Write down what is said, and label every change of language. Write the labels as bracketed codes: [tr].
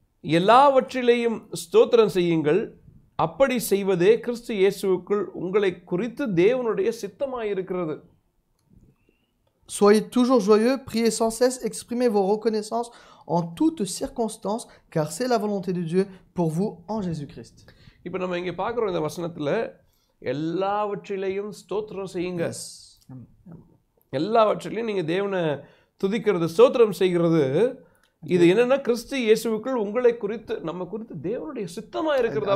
[ta] « எல்லாவற்றிலேயும் ஸ்தோத்திரம் செய்யுங்கள், அப்படி செய்வதே கிறிஸ்து இயேசுவுக்குள் உங்களை குறித்து தேவனுடைய சித்தமாயிருக்கிறது. » [fr] Soyez toujours joyeux, priez sans cesse, exprimez vos reconnaissances en toutes circonstances, car c'est la volonté de Dieu pour vous en Jésus-Christ. [ta] இப்போ நம்ம இங்க பார்க்குறோம் இந்த வசனத்துல எல்லாவற்றிலேயும் ஸ்தோத்திரம் செய்யுங்க. எல்லாவற்றிலேயும் நீங்க தேவனை துதிக்கிறது, ஸ்தோத்திரம் செய்கிறது இது என்னன்னா கிறிஸ்து இயேசுவுக்குள் உங்களை குறித்து நம்ம குறித்து தேவனுடைய சித்தமாக இருக்கிறது.